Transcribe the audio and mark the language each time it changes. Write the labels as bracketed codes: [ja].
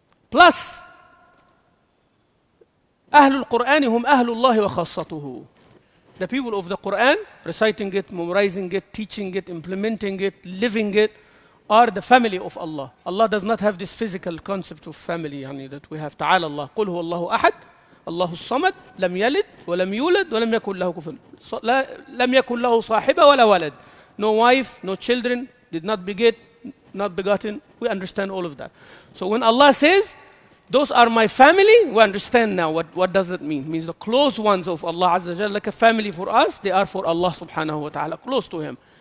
[ar] Plus, Ahlul Qur'an hum Ahlul Allah wa khassatuhu. [en] The people of the Qur'an, reciting it, memorizing it, teaching it, implementing it, living it, are the family of Allah. Allah does not have this physical concept of family, yani, that we have. [ar] Ta'ala Allah, قُلْ هُوَ اللَّهُ أَحَدٌ الله الصمد لم يلد ولم يولد ولم يكن له كفوا لم يكن له صاحبة ولا ولد. [en] No wife, no children, did not beget, not begotten. We understand all of that. So when Allah says, those are my family, we understand now what does it mean. It means the close ones of Allah Azza wa Jalla, like a family for us, they are for Allah subhanahu wa ta'ala, close to Him.